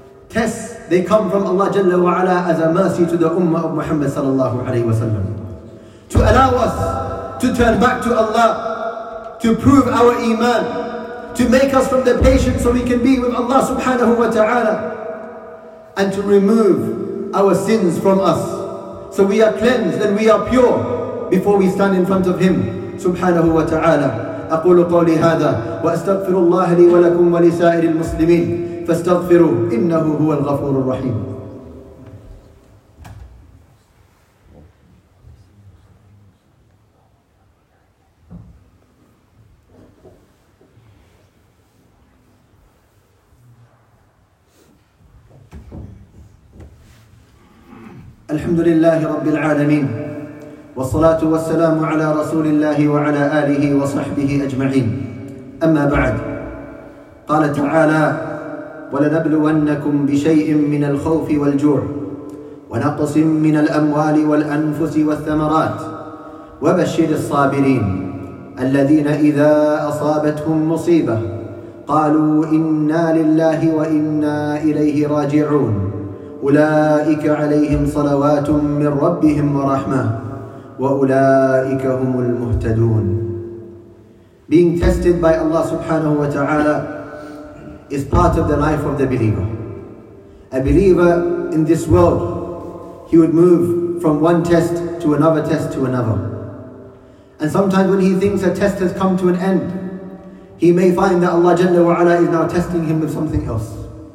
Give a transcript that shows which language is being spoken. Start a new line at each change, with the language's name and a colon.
English: Tests, they come from Allah Jalla wa Ala as a mercy to the Ummah of Muhammad sallallahu alayhi wa sallam, to allow us to turn back to Allah, to prove our iman, to make us from the patient so we can be with Allah subhanahu wa ta'ala, and to remove our sins from us so we are cleansed and we are pure before we stand in front of Him subhanahu wa ta'ala.
Arabic: أقول قولي هذا وأستغفر الله لي ولكم ولسائر المسلمين فاستغفروا إنه هو الغفور الرحيم. الحمد لله رب العالمين والصلاة والسلام على رسول الله وعلى آله وصحبه أجمعين. أما بعد، قال تعالى ولنبلونكم بشيء من الخوف والجوع ونقص من الأموال والأنفس والثمرات وبشر الصابرين الذين إذا أصابتهم مصيبة قالوا إنا لله وإنا إليه راجعون أولئك عليهم صلوات من ربهم ورحمة وأولئك هم المهتدون.
English: Being tested by Allah subhanahu wa ta'ala is part of the life of the believer. A believer in this world, he would move from one test to another test to another. And sometimes when he thinks a test has come to an end, he may find that Allah Jalla wa Ala is now testing him with something else.